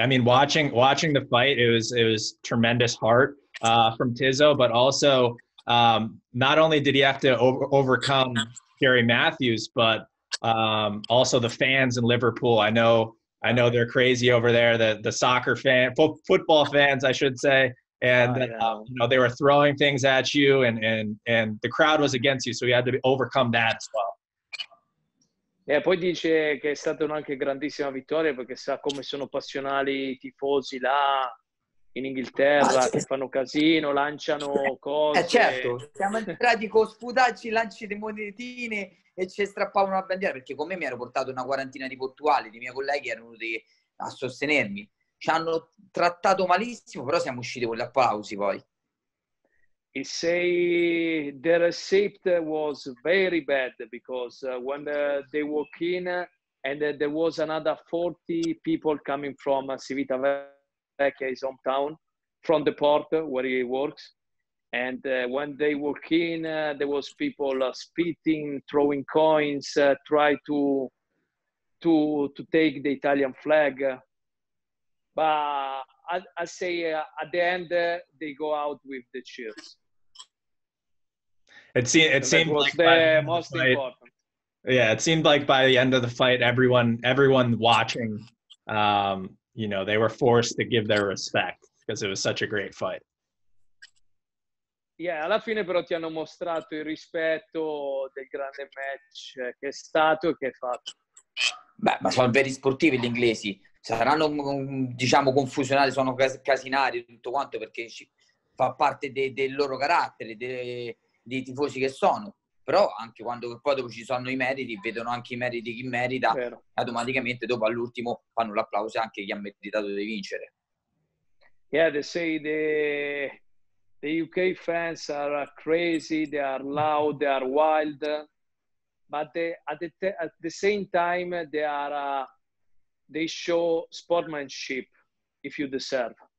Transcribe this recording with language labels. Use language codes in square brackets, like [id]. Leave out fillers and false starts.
[en] I mean, watching the fight, it was tremendous heart from Tizzo, but also not only did he have to overcome Gary Matthews, but also the fans in Liverpool. I know they're crazy over there. The soccer fan, football fans, I should say, and you know, they were throwing things at you, and the crowd was against you, so you had to overcome that as well. [it] E poi dice che è stata anche grandissima vittoria perché sa come sono passionali i tifosi là in Inghilterra, che fanno casino, lanciano cose. Certo, siamo entrati con sputacci, lanci di monetine e ci strappavano la bandiera, perché con me mi ero portato una quarantina di portuali, i miei colleghi erano venuti a sostenermi. Ci hanno trattato malissimo, però siamo usciti con gli applausi poi. [en] He say the receipt was very bad because when they walk in and there was another 40 people coming from Civitavecchia, his hometown, from the port where he works. And when they walk in, there was people spitting, throwing coins, try to take the Italian flag. But I say at the end, they go out with the cheers. It seemed like by the end of the fight, everyone watching, you know, they were forced to give their respect because it was such a great fight. [it] Yeah, alla fine però ti hanno mostrato il rispetto del grande match che è stato e che è fatto. Beh, ma sono veri sportivi gli inglesi. Saranno, diciamo, confusionali, sono casinari tutto quanto, perché fa parte del loro carattere, dei tifosi che sono. Però anche quando poi dopo ci sono i meriti, vedono anche i meriti chi merita. Vero. Automaticamente dopo all'ultimo fanno l'applauso anche chi ha meritato di vincere. [en] Yeah, they say the UK fans are crazy, they are loud, they are wild, but at the same time they show sportsmanship if you deserve.